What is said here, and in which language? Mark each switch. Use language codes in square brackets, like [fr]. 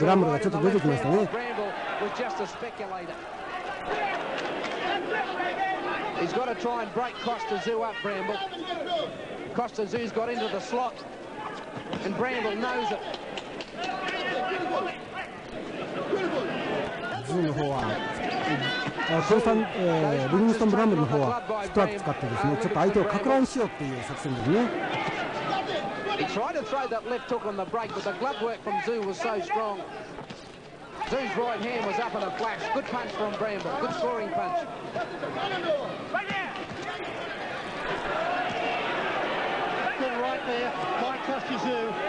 [en] right, and the left hand from Bramble was just a speculator. He's got to try and break Costa Zoo up, Bramble. Costa Zoo's got into the slot, and Bramble knows it. [ja] Zoo の方は、リングストン・ブランブルの方は、ストラック使ってですね、ちょっと相手をかく乱しようっていう作戦ですね。 [en] He tried to throw that left hook on the break, but the glove work from Zoo was so strong. Zoo's right hand was up in a flash. Good punch from Bramble. Good scoring punch. Good right there by Costa Zoo.